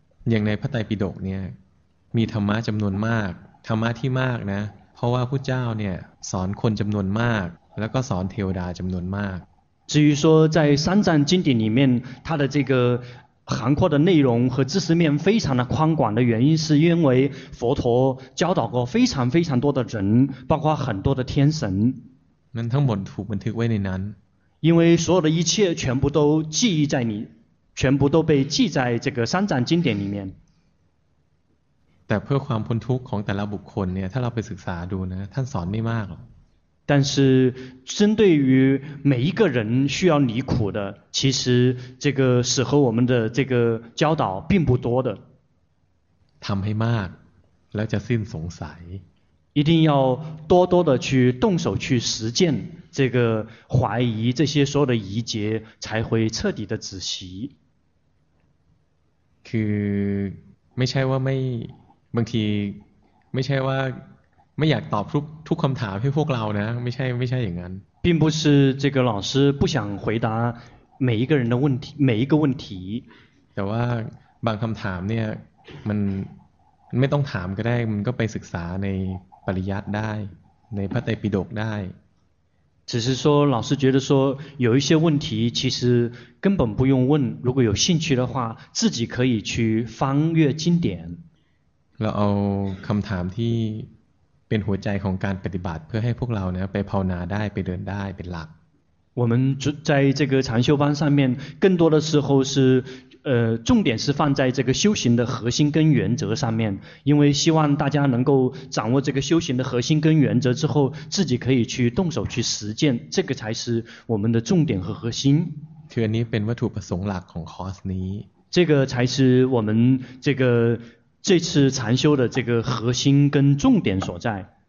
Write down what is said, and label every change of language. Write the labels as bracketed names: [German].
[Thai] อย่างในพระไตรปิฎกเนี่ยมีธรรมะจำนวนมากธรรมะที่มากนะเพราะว่าพุทธเจ้าเนี่ยสอนคนจำนวนมากแล้วก็สอนเทวดาจำนวนมาก [Chinese] 至于说在三藏经典里面它的这个涵括的内容和知识面非常的宽广的原因是因为佛陀教导过非常非常多的人包括很多的天神 [Thai] มันทั้งหมดถูกบันทึกไว้ในนั้น [Chinese] 因为所有的一切全部都记忆在你全部都被记在这个三藏经典里面 [Thai] แต่เพื่อความพ้นทุกข์ของแต่ละบุคคลเนี่ยถ้าเราไปศึกษาดูนะท่านสอนไม่มากหรอก [Chinese] 但是针对于每一个人需要离苦的其实这个适合我们的这个教导并不多的 [Thai] ทำให้มากแล้วจะสิ้นสงสัย [Chinese] 一定要多多的去动手去实践这个怀疑这些所有的疑结才会彻底的止息 [Thai] คือไม่ใช่ว่าไม่บางทีไม่ใช่ว่าไม่อยากตอบทุกคำถามให้พวกเรานะไม่ใช่อย่างนั้น [Chinese] 并不是这个老师不想回答每一个人的问题每一个问题 [Thai] แต่ว่าบางคำถามเนี่ยมันไม่ต้องถามก็ได้มันก็ไปศึกษาในปริยัติได้ในพระไตรปิฎกได้ [Chinese] 只是说老师觉得说有一些问题其实根本不用问如果有兴趣的话自己可以去翻阅经典 [Thai] เราเอาคำถามที่เป็นหัวใจของการปฏิบัติเพื่อให้พวกเราเนี่ยไปภาวนาได้ไปเดินได้เป็นหลัก [Chinese] 我们在这个禅修班上面更多的时候是重点是放在这个修行的核心跟原则上面因为希望大家能够掌握这个修行的核心跟原则之后自己可以去动手去实践这个才是我们的重点和核心 [Thai] คืออันนี้เป็นวัตถุประสงค์หลักของคอร์สนี้ [Chinese] 这个才是我们这次禅修的这个核心跟重点所在